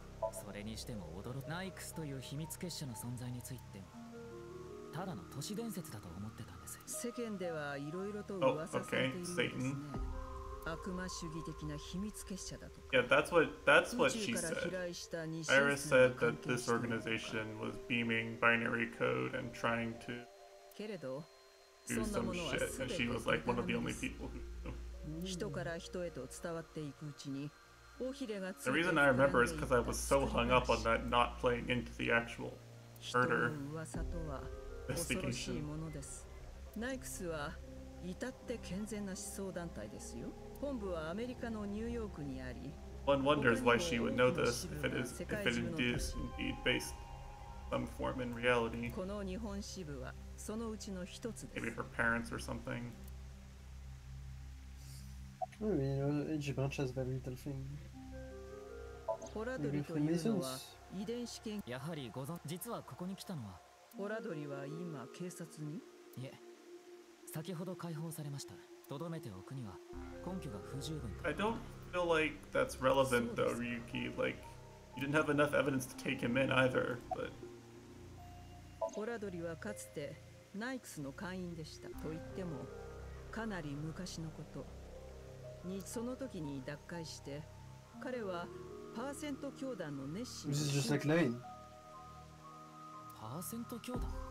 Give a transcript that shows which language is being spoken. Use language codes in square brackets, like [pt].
[ja] それにしても驚くナイクスという秘密結社の存在についてもただの都市伝説だと思ってたんです世間ではいろいろと噂されているんですね悪魔主義的な秘密結社だとか [en] Yeah, that's what she said. Iris said that this organization was beaming binary code and trying to [ja] けれど、 [en] do some shit and she was like one of the only people who [ja] 人から人へと伝わっていくうちに [en] The reason I remember is because I was so hung up on that not playing into the actual murder. [ja] 恐ろしいものです。ナイクスは至って健全な思想団体ですよ。本部はアメリカのニューヨークにあり、 [en] One wonders why she would know this if it is, if it is indeed based some form in reality. [ja] この日本支部はそのうちの一つです。 [en] Maybe her parents or something. I mean, Japan has very little thing. [ja] ホラドリというのは遺伝子研究。やはりご存、実はここに来たのは。ホラドリは今警察に？いえ、先ほど解放されました。とどめておくには根拠が不十分だ。 [en] I don't feel like that's relevant though, Ryuki. Like, you didn't have enough evidence to take him in either, but. [ja] ホラドリはかつてナイクスの会員でした。と言ってもかなり昔のことに、その時に脱会して彼はパーセント教団の熱心。 [en] This is just like Lane. [ja] パーセント教団。